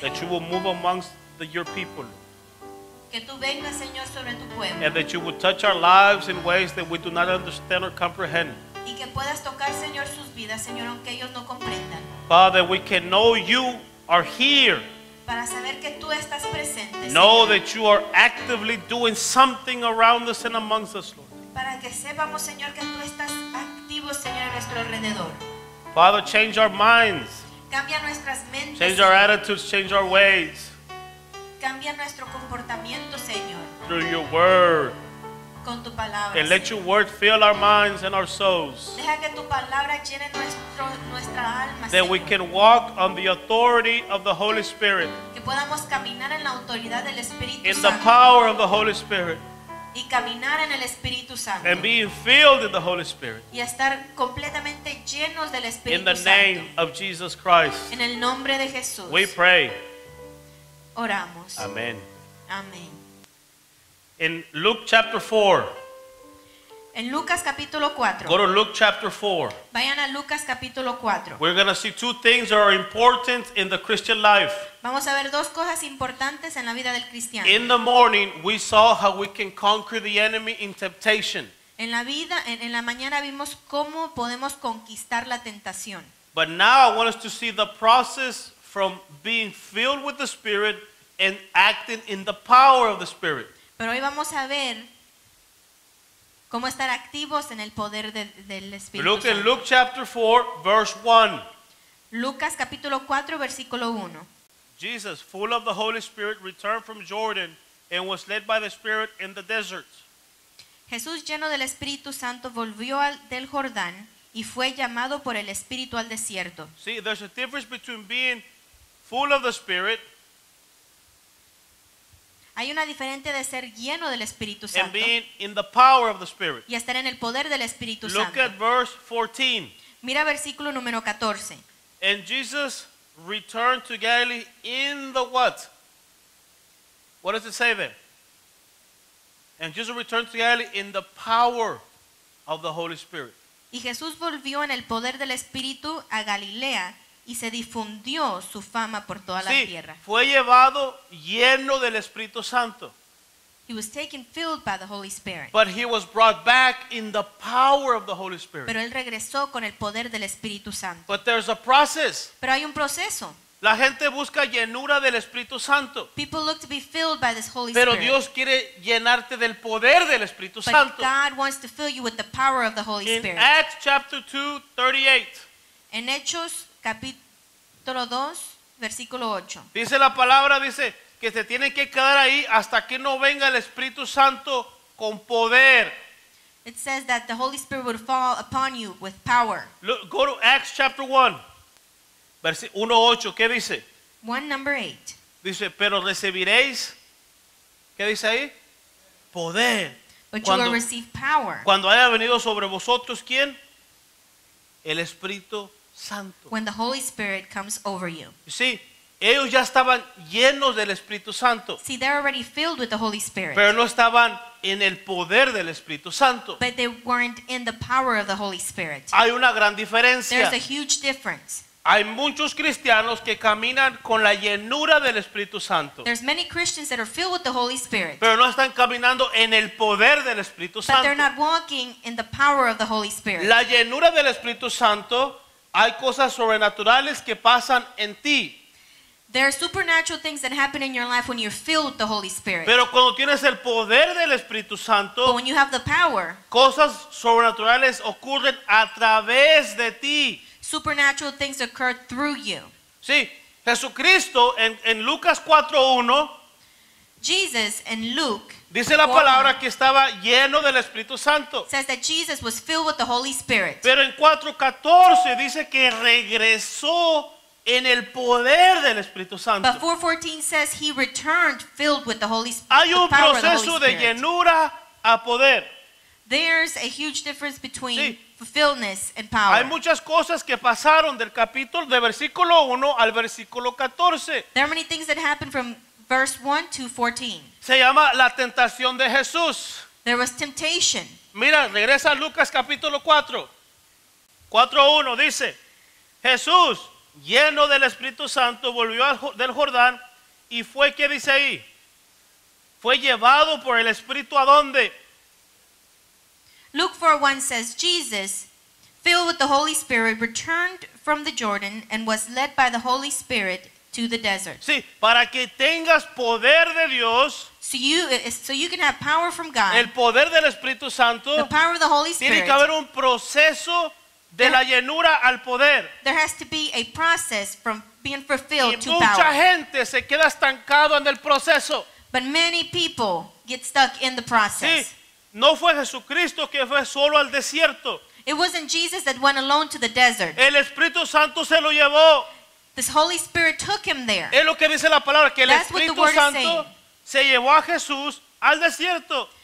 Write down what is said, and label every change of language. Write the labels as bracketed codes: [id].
[en] that you will move amongst your people, Lord, [es] que tú vengas, Señor, sobre tu pueblo, [en] and that you will touch our lives in ways that we do not understand or comprehend. [es] Y que puedas tocar, Señor, sus vidas, Señor, aunque ellos no comprendan. [en] Father, we can know you are here. [es] Para saber que tú estás presente, [en] know [es] Señor, [en] that you are actively doing something around us and amongst us, Lord. [es] Para que sepamos, Señor, que tú estás activo, Señor, a nuestro alrededor. [en] Father, change our minds. [es] Cambia nuestras mentes. [en] Change our attitudes, change our ways. [es] Cambia nuestro comportamiento, Señor. [en] Through your word. [es] Con tu palabra, [en] and let your word fill our minds and our souls. [es] Deja que tu palabra llene nuestra alma, [en] that [es] Señor, [en] we can walk on the authority of the Holy Spirit. [es] Que podamos caminar en la autoridad del Espíritu [en] in [es] Santo. [en] The power of the Holy Spirit. [es] Y caminar en el Espíritu Santo. [en] And being filled in the Holy Spirit. [es] Y estar completamente llenos del Espíritu [en] in the name [es] Santo. [en] Of Jesus Christ. [es] En el nombre de Jesús. [en] We pray. [es] Oramos. [en] Amen. [es] Amén. [en] In Luke chapter 4. [es] En Lucas capítulo 4. [en] Go to Luke chapter 4. [es] Vayan a Lucas capítulo 4. [en] We're going to see two things that are important in the Christian life. [es] Vamos a ver dos cosas importantes en la vida del cristiano. [en] In the morning we saw how we can conquer the enemy in temptation. [es] En la vida en la mañana vimos cómo podemos conquistar la tentación. [en] But now I want us to see the process from being filled with the Spirit and acting in the power of the Spirit. [es] Pero hoy vamos a ver cómo estar activos en el poder del Espíritu Santo. [en] Luke, Luke chapter 4, verse 1. [es] Lucas capítulo 4, versículo 1. [en] Jesus, full of the Holy Spirit, returned from Jordan and was led by the Spirit in the desert. [es] Jesús, lleno del Espíritu Santo, volvió del Jordán y fue llamado por el Espíritu al desierto. [en] See, there's a difference between being full of the Spirit. [es] Hay una diferente de ser lleno del Espíritu Santo [en] and being in the power of the Spirit. [es] Y estar en el poder del Espíritu [en] Look [es] Santo. [en] At verse 14. [es] Mira versículo número 14. [en] And Jesus returned to Galilee in the what? What does it say there? And Jesus returned to Galilee in the power of the Holy Spirit. [es] Y Jesús volvió en el poder del Espíritu a Galilea. Y se difundió su fama por toda la tierra. Sí, fue llevado lleno del Espíritu Santo. [en] He was taken filled by the Holy Spirit. But he was brought back in the power of the Holy Spirit. [es] Pero él regresó con el poder del Espíritu Santo. [en] But there's a process. [es] Pero hay un proceso. La gente busca llenura del Espíritu Santo. [en] People look to be filled by this Holy [es] Pero [en] Spirit. [es] Dios quiere llenarte del poder del Espíritu Santo. [en] But God wants to fill you with the power of the Holy in Spirit. Acts chapter 2:38. [es] En Hechos capítulo 2, versículo 8. Dice la palabra, dice que se tiene que quedar ahí hasta que no venga el Espíritu Santo con poder. [en] It says that the Holy Spirit would fall upon you with power. Look, go to Acts chapter 1, [es] versículo 1:8. ¿Qué dice? [en] 1 number 8. [es] Dice, pero recibiréis, ¿qué dice ahí? Poder. [en] But cuando, you will receive power. [es] Cuando haya venido sobre vosotros, ¿quién? El Espíritu Santo. [en] When the Holy Spirit comes over you. [es] Sí, ellos ya estaban llenos del Espíritu Santo. [en] See, they're already filled with the Holy Spirit. [es] Pero no estaban en el poder del Espíritu Santo. [en] But they weren't in the power of the Holy Spirit. [es] Hay una gran diferencia. [en] There's a huge difference. [es] Hay muchos cristianos que caminan con la llenura del Espíritu Santo. [en] There's many Christians that are filled with the Holy Spirit. [es] Pero no están caminando en el poder del Espíritu Santo. [en] But they're not walking in the power of the Holy Spirit. [es] La llenura del Espíritu Santo. Hay cosas sobrenaturales que pasan en ti. [en] There are supernatural things that happen in your life when you're filled with the Holy Spirit. [es] Pero cuando tienes el poder del Espíritu Santo, [en] but when you have the power, [es] cosas sobrenaturales ocurren a través de ti. [en] Supernatural things occur through you. [es] Sí, Jesucristo en Lucas 4:1, [en] Jesus in Luke, [es] dice la palabra que estaba lleno del Espíritu Santo. [en] Says that Jesus was filled with the Holy Spirit. [es] Pero en 4:14 dice que regresó en el poder del Espíritu Santo. [en] But 4:14 says he returned filled with the Holy Spirit. [es] Hay un proceso de llenura a poder. [en] There's a huge difference between fulfillment and power. [es] Hay muchas cosas que pasaron del capítulo de versículo 1 al versículo 14. [en] There are many things that happened from verse 1 to 14. [es] Se llama la tentación de Jesús. [en] There was temptation. [es] Mira, regresa a Lucas capítulo 4. 4:1 dice, Jesús, lleno del Espíritu Santo, volvió del Jordán y fue, ¿qué dice ahí? Fue llevado por el Espíritu, ¿a dónde? [en] Luke 4:1 says, Jesus, filled with the Holy Spirit, returned from the Jordan and was led by the Holy Spirit to the desert. [es] Sí, para que tengas poder de Dios. [en] So you can have power from God. [es] El poder del Espíritu Santo. [en] The power of the Holy Spirit. [es] Tiene que haber un proceso de la llenura al poder. [en] There has to be a process from being fulfilled to [es] power. Y mucha gente se queda estancado en el proceso. [en] But many people get stuck in the process. [es] Sí, no fue Jesucristo que fue solo al desierto. [en] It wasn't Jesus that went alone to the desert. [es] El Espíritu Santo se lo llevó. [en] The Holy Spirit took him there. [es] Es lo que dice la palabra, que el Espíritu Santo se llevó a Jesús al desierto.